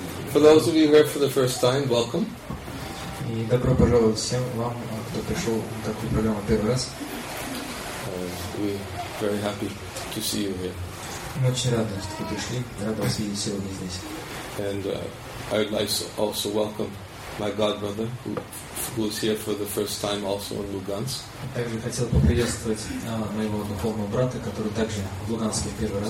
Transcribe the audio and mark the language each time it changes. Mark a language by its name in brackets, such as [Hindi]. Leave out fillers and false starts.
[English] For those of you here for the first time, welcome. [Russian] И добро пожаловать всем вам, кто пришел в такую программу первый раз. [English] We very happy to see you here. [Russian] Мы очень рады, что вы пришли. Рады вас видеть сегодня здесь. [English] And I would like to also welcome my godmother, who is here for the first time also in Lugansk. [Russian] Также хотел поприветствовать моего духовного брата, который также в Луганске в первый раз.